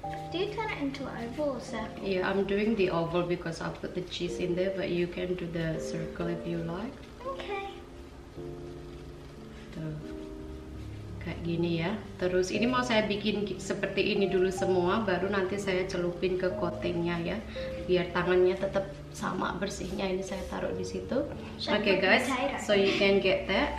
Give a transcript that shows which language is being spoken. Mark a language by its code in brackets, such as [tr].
[en] Do you turn it into oval or circle? Yeah, I'm doing the oval because I put the cheese in there, but you can do the circle if you like. Okay. [id] Tuh. Kayak gini ya. Terus ini mau saya bikin seperti ini dulu semua, baru nanti saya celupin ke coatingnya ya, biar tangannya tetap sama bersihnya. Ini saya taruh di situ. [en] Oke okay, guys, so you can get that.